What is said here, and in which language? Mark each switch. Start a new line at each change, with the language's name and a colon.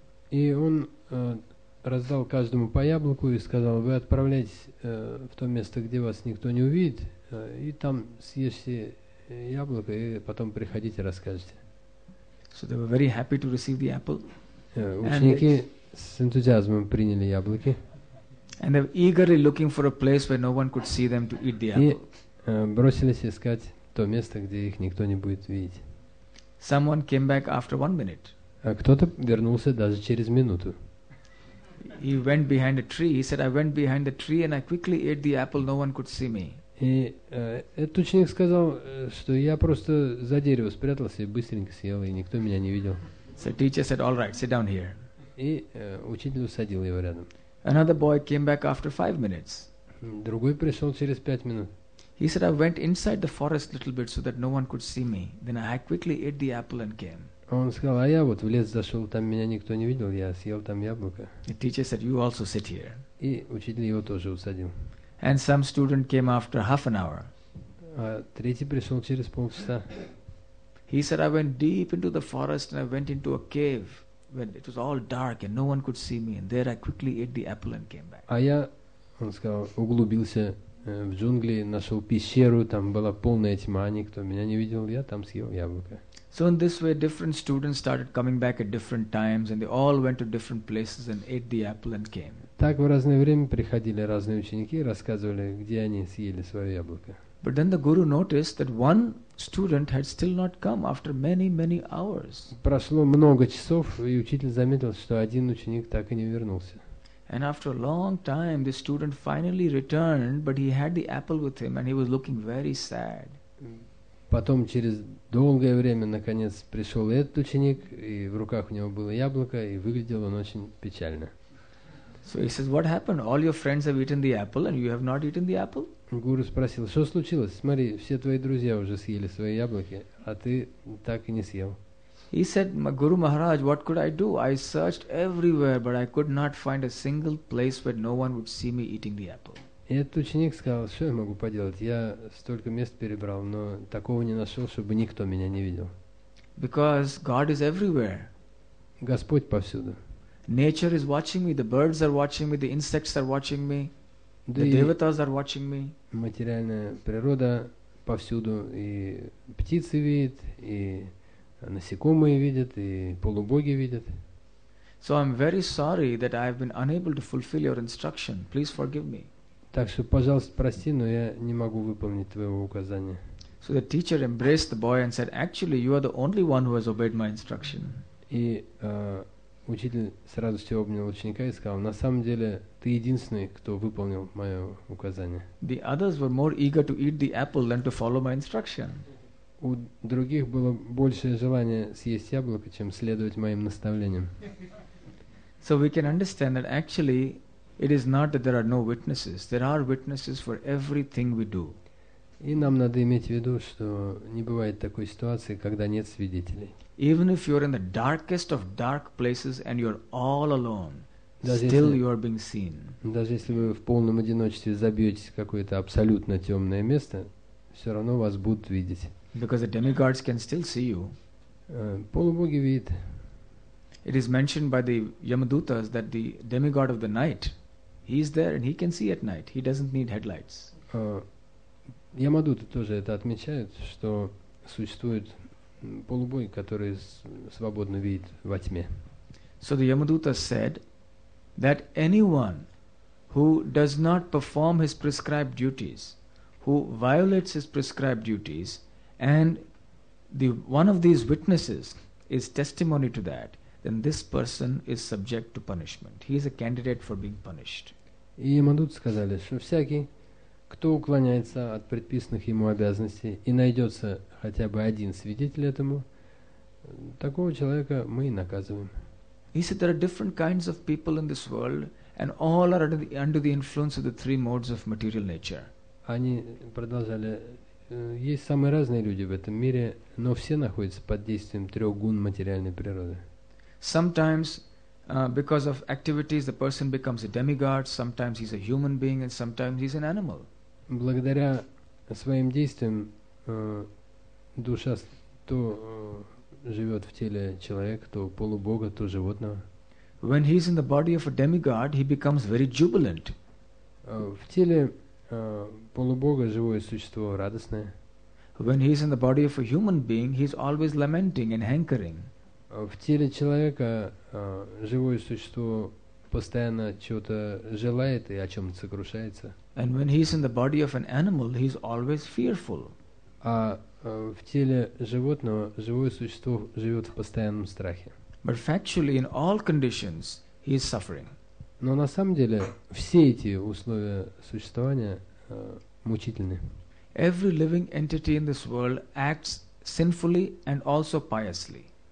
Russian: И он раздал каждому по яблоку и сказал, вы отправляйтесь в то место, где вас никто не увидит, и там съешьте яблоко и потом приходите, расскажете.
English: So they were very happy to receive the apple.
Russian: Ученики с энтузиазмом приняли яблоки.
English: And they were eagerly looking for a place where no one could see them to eat the apple.
Russian: бросились искать то место, где их никто не будет видеть.
English: Someone came back after 1 minute.
Russian: А кто-то вернулся даже через минуту.
English: He went behind a tree. He said, "I went behind the tree and I quickly ate the apple. No one could see me."
Russian: И этот ученик сказал, что я просто за дерево спрятался и быстренько съел, и никто меня не видел.
English: So teacher said, "All right, sit down here."
Russian: И учитель усадил его рядом.
English: Another boy came back after 5 minutes.
Russian: Другой пришел через 5 минут.
English: He said, "I went inside the forest a little bit so that no one could see me. Then I quickly ate the apple and came."
Russian: Он сказал, а я вот в лес зашел, там меня никто не видел, я съел там яблоко.
English: The teacher said, "You also sit here."
Russian: И учитель его тоже усадил.
English: And some student came after half an hour.
Russian: А третий пришел через полчаса.
English: He said, "I went deep into the forest and I went into a cave when it was all dark and no one could see me. And there I quickly ate the apple and came back."
Russian: А я, он сказал, углубился в джунгли, нашел пещеру, там была полная тьма, никто меня не видел, я там съел яблоко.
English: So in this way, different students started coming back at different times, and they all went to different places and ate the apple and came.
Russian: Так в разное время приходили разные ученики и рассказывали, где они съели свое яблоко.
English: But then the guru noticed that one student had still not come after many, many hours.
Russian: Прошло много часов, и учитель заметил, что один ученик так и не вернулся.
English: And after a long time, the student finally returned, but he had the apple with him, and he was looking very sad.
Russian: Потом через долгое время наконец пришел этот ученик, и в руках у него было яблоко, и выглядел он очень печально.
English: So he says, "What happened? All your friends have eaten the apple, and you have not eaten the apple?"
Russian: Гуру спросил, что случилось? Смотри, все твои друзья уже съели свои яблоки, а ты так и не съел.
English: He said, "Guru Maharaj, what could I do? I searched everywhere, but I could not find a single place where no one would see me eating the apple."
Russian: И этот ученик сказал, что я могу поделать, я столько мест перебрал, но такого не нашел, чтобы никто меня не видел.
English: Because God is everywhere.
Russian: Господь повсюду.
English: Nature is watching me, the birds are watching me, the insects are watching me, the devatas are watching me.
Russian: Материальная природа повсюду, и птицы видят, и насекомые видят, и полубоги видят.
English: So I'm very sorry that I have been unable to fulfill your instruction. Please forgive me.
Russian: Так что, пожалуйста, прости, но я не могу выполнить твоего указания.
English: So the teacher embraced the boy and said, "Actually, you are the only one who has obeyed my instruction."
Russian: И учитель с радостью обнял ученика и сказал, на самом деле, ты единственный, кто выполнил мое указание.
English: The others were more eager to eat the apple than to follow my instruction.
Russian: У других было большее желание съесть яблоко, чем следовать моим наставлениям.
English: So we can understand that actually, it is not that there are no witnesses. There are witnesses for everything we do.
Russian: И нам надо иметь в виду, что не бывает такой ситуации, когда нет свидетелей.
English: Even if you are in the darkest of dark places and you are all alone, still you are being seen.
Russian: Даже если вы в полном одиночестве забьетесь в какое-то абсолютно темное место, все равно вас будут видеть.
English: Because the demigods can still see you.
Russian: Полубоги видят.
English: It is mentioned by the Yamadutas that the demigod of the night, he is there and he can see at night. He doesn't need headlights.
Russian: Ямадуты тоже это отмечают, что существует полубой, который свободно видит во тьме.
English: So the Yamadutas said that anyone who does not perform his prescribed duties, who violates his prescribed duties, and the one of these witnesses is testimony to that, then this person is subject to punishment. He is a candidate for being punished.
Russian: И Ямадут сказали, что всякий, кто уклоняется от предписанных ему обязанностей и найдется хотя бы один свидетель этому, такого человека мы и наказываем.
English: He said, there are different kinds of people in this world and all are under the influence of the three modes of material nature.
Russian: Они продолжали, есть самые разные люди в этом мире, но все находятся под действием трех гун материальной природы.
English: Sometimes, because of activities, the person becomes a demigod. Sometimes he's a human being, and sometimes he's an animal.
Russian: Благодаря своим действиям душа то живет в теле человека, то полубога, то животного.
English: When he's in the body of a demigod, he becomes very jubilant.
Russian: В теле полубога живое существо радостное.
English: When he's in the body of a human being, he's always lamenting and hankering.
Russian: В теле человека живое существо постоянно чего-то желает и о чем-то сокрушается.
English: And when he's in the body of an animal, he's always fearful.
Russian: А в теле животного живое существо живет в постоянном страхе.
English: But factually, in all conditions, he is suffering.
Russian: Но на самом деле все эти условия существования мучительны.
English: Every living entity in this world acts sinfully and also piously.